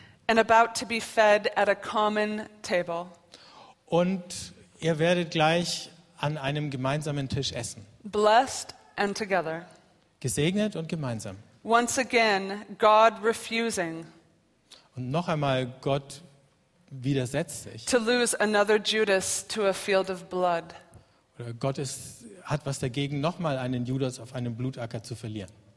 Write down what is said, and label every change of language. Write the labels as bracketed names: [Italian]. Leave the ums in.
[English] And about to be fed at a common table. [German] Und ihr werdet gleich an einem gemeinsamen Tisch essen. [English] Blessed and together. [German] Gesegnet und gemeinsam. [English] Once again, God refusing. [German] Und noch einmal Gott widersetzt sich. [English] To lose another Judas to a field of blood. [German] Oder Gott ist, hat was dagegen, nochmal einen Judas auf einem Blutacker zu verlieren.